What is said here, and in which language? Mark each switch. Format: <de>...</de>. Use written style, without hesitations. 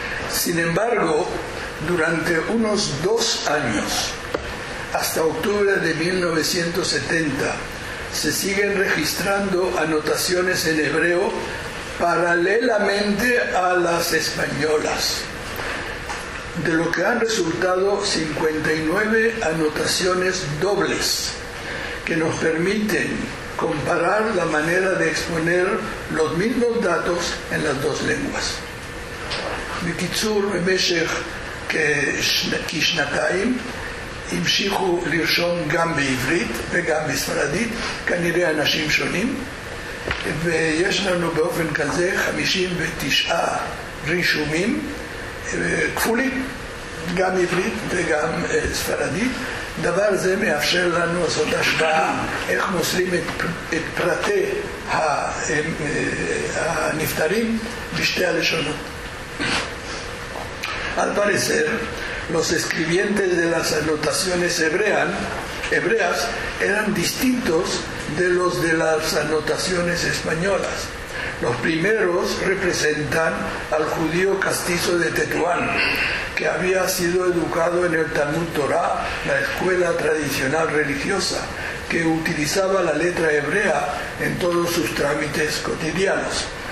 <es>Sin embargo, durante unos 2 años, hasta octubre de 1970, se siguen registrando anotaciones en hebreo paralelamente a las españolas, de lo que han resultado 59 anotaciones dobles que nos permiten comparar la manera de exponer los mismos datos en las dos lenguas.</es> <he>Bikitzur, Meshech, Kishnataim, המשיכו לרשום גם בעברית וגם בספרדית, כנראה אנשים שונים, ויש לנו באופן כזה 59 רישומים כפולים, גם עברית וגם ספרדית. דבר זה מאפשר לנו לעשות השוואה איך מוסרים את פרטי הנפטרים בשתי הלשונות.</he> <es>Al parecer, los escribientes de las anotaciones hebreas eran distintos de los de las anotaciones españolas. Los primeros representan al judío castizo de Tetuán, que había sido educado en el Talmud Torah, la escuela tradicional religiosa, que utilizaba la letra hebrea en todos sus trámites cotidianos.</es>